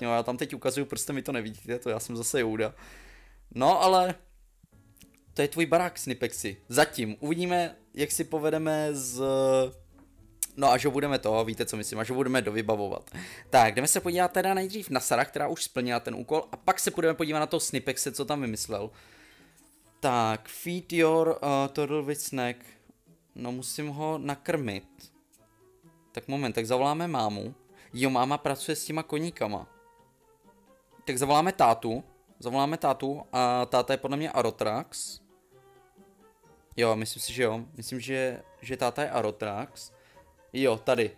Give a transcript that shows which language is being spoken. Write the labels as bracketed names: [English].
[Czech] No, já tam teď ukazuju, prostě mi to nevidíte, to já jsem zase Jouda. No ale to je tvůj barák, Snipexy. Zatím, uvidíme, jak si povedeme z... No až ho budeme to, víte co myslím, až ho budeme dovybavovat. Tak, jdeme se podívat teda nejdřív na Sarah, která už splnila ten úkol, a pak se půjdeme podívat na toho Snipexe, co tam vymyslel. Tak, [English] feed your turtle with snack. [Czech] No musím ho nakrmit. Tak moment, tak zavoláme mámu. Jo, máma pracuje s těma koníkama. Tak zavoláme tátu. Zavoláme tátu a táta je podle mě Arotrax. Jo, myslím si, že jo. Myslím, že táta je Arotrax. Jo, tady.